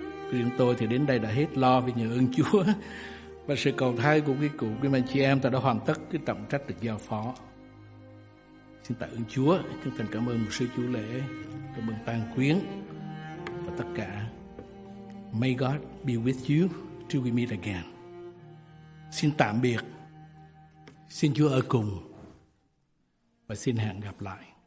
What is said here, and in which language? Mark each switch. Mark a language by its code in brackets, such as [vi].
[vi] Riêng tôi thì đến đây đã hết lo vì nhờ ơn Chúa và sự cầu thai của quý cụ, quý anh chị em, ta đã hoàn tất cái trọng trách được giao phó. Xin tạ ơn Chúa, chân thành cảm ơn một sư chú lễ, cảm ơn tang quyến và tất cả. [en] May God be with you till we meet again. [vi] Xin tạm biệt, xin Chúa ở cùng và xin hẹn gặp lại.